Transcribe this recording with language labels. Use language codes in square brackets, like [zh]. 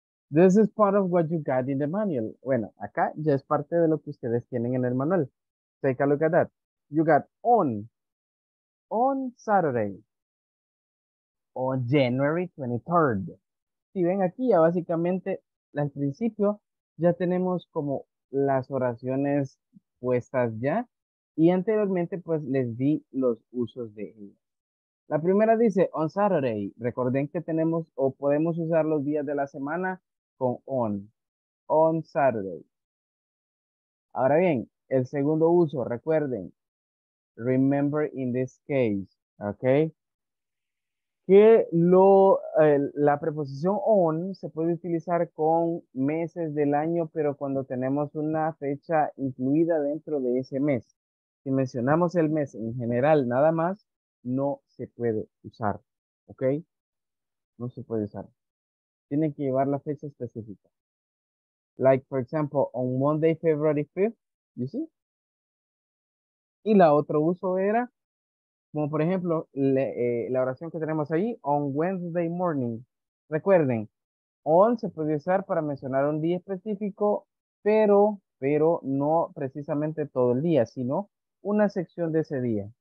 [en] This is part of what you got in the manual. [es] Bueno, acá ya es parte de lo que ustedes tienen en el manual. [en] Take a look at that. You got on Saturday, on January 23rd. [es] Si ven aquí, ya básicamente al principio ya tenemos como las oraciones puestas ya. Y anteriormente pues les di los usos de ellas. La primera dice on Saturday. Recuerden que tenemos o podemos usar los días de la semana con on Saturday. Ahora bien, el segundo uso, recuerden, [en] remember in this case, [es] ¿ok? Que la preposición on se puede utilizar con meses del año, pero cuando tenemos una fecha incluida dentro de ese mes. Si mencionamos el mes en general nada más, no se puede usar, ¿ok? No se puede usar. Tiene que llevar la fecha específica. [en] Like, for example, on Monday, February 5th, you see? [es] Y la otro uso era, como por ejemplo, la oración que tenemos ahí, on Wednesday morning. Recuerden, on se puede usar para mencionar un día específico, pero no precisamente todo el día, sino una sección de ese día.